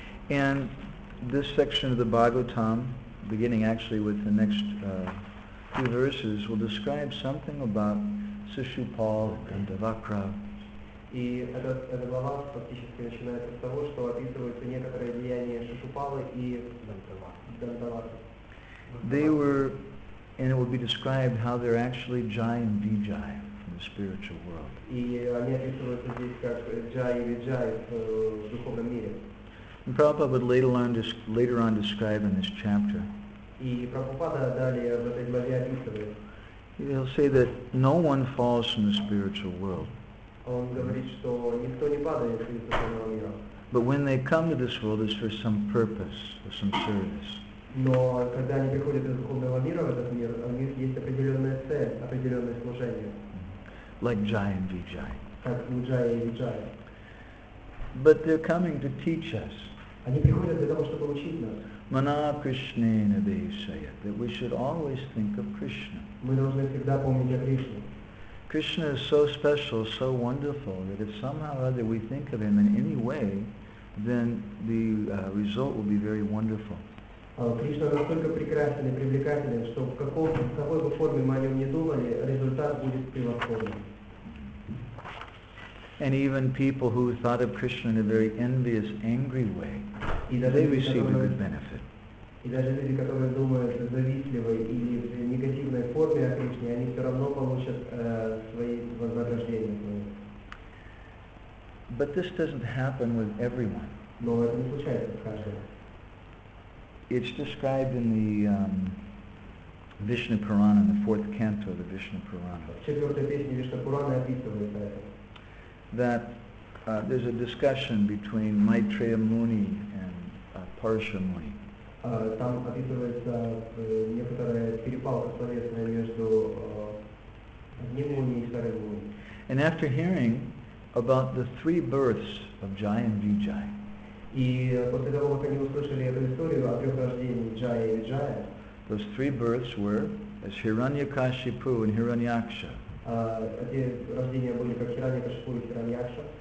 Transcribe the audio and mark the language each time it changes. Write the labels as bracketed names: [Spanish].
[English] And this section of the Bhagavatam, beginning actually with the next few verses, will describe something about Sushupal and Devakra. [Russian] И эта глава фактически начинается с того, что описывается некоторое влияние Шишупалы и Дандаваки. [English] They were, and it will be described how they're actually Jaya and Vijaya in the spiritual world. [Russian] И они описываются здесь как Jaya и Vijaya в духовном мире. [English] And Prabhupada would later on describe in this chapter. [Russian] И Прабхупада далее в этой главе описывает. [English] He'll say that no one falls from the spiritual world. [Russian] Он говорит, что никто не падает из духовного мира. [English] But when they come to this world, it's for some purpose, for some service. [Russian] Но когда они приходят из духовного мира в этот мир, у них есть определенная цель, определенное служение. [English] Like Jaya and Vijaya. [Russian] Как Джая и Виджая. [English] But they're coming to teach us. [Russian] Они приходят для того, чтобы учить нас. [English] Mana Krishnena Vishaya, that we should always think of Krishna. [Russian] Мы должны всегда помнить о Кришне. [English] Krishna is so special, so wonderful, that if somehow or other we think of him in any way, then the result will be very wonderful. Krishna is [Russian] настолько прекрасен и привлекателен, что в какой бы форме мы о нем не думали, результат будет превосходным. [English] And even people who thought of Krishna in a very envious, angry way, they received a good benefit. [Russian] И даже люди, которые думают в завистливой или в негативной форме о Кришне, они все равно получат свои вознаграждения. [English] But this doesn't happen with everyone. [Russian] Но это не случается с каждым. [English] It's described in the Vishnu Purana, the fourth canto of the Vishnu Purana. [Russian] В четвертой песне Вишна Пурана описывается это. [English] That there's a discussion between Maitreya Muni and Parsha Muni. [Russian] Там описывается некоторая перепалка словесная между одним Муни и вторым Муни. [English] And after hearing about the three births of Jaya and Vijaya. [Russian] И после того, как они услышали эту историю о трех рождениях Jaya и Vijaya. [English] Those three births were as Hiranyakashipu and Hiranyaksha. [Russian] Эти рождения были как Hiranyakashipu и Hiranyaksha.